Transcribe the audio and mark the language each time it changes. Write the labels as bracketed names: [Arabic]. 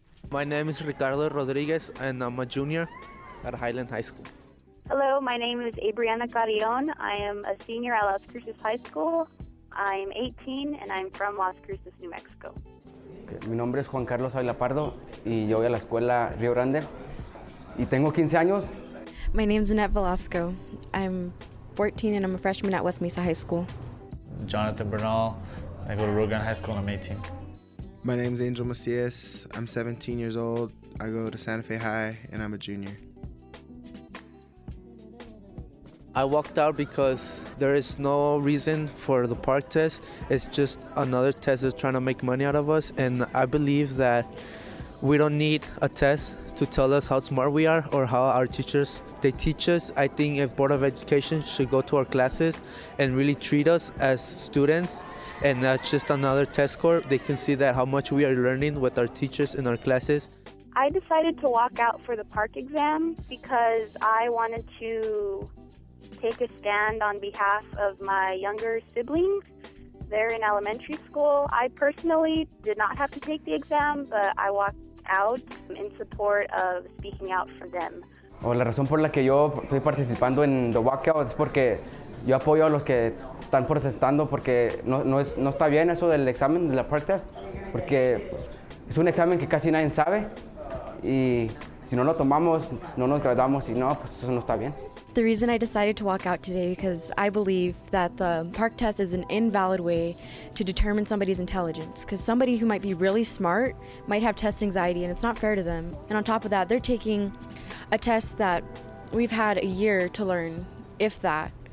[English] My name is Ricardo Rodriguez, and I'm a junior at Highland High School. Hello, my name is Adriana Carrion. I am a senior at Las Cruces High School. I'm 18, and I'm from Las Cruces, New Mexico. [Spanish] Mi nombre es Juan Carlos Ávila Pardo, y yo voy a la escuela Rio Grande, y tengo 15 años. [English] My name's Annette Velasco. I'm 14 and I'm a freshman at West Mesa High School. Jonathan Bernal. I go to Rogan High School and I'm 18. My name's Angel Macias. I'm 17 years old. I go to Santa Fe High and I'm a junior. I walked out because there is no reason for the PARC test. It's just another test that's trying to make money out of us. And I believe that we don't need a test to tell us how smart we are or how our teachers, they teach us. I think if Board of Education should go to our classes and really treat us as students, and that's just another test score, they can see that how much we are learning with our teachers in our classes. I decided to walk out for the PARC exam because I wanted to take a stand on behalf of my younger siblings. They're in elementary school. I personally did not have to take the exam, but I walked out in support of speaking out for them. [Spanish] Oh, la razón por la que yo estoy participando en the walkout es porque yo apoyo a los que están protestando porque no está bien eso del examen de la PARC test porque es un examen que casi nadie sabe y si no lo tomamos no nos graduamos y no pues eso no está bien. [English] The reason I decided to walk out today because I believe that the PARC test is an invalid way to determine somebody's intelligence. Because somebody who might be really smart might have test anxiety and it's not fair to them. And on top of that, they're taking a test that we've had a year to learn, if that.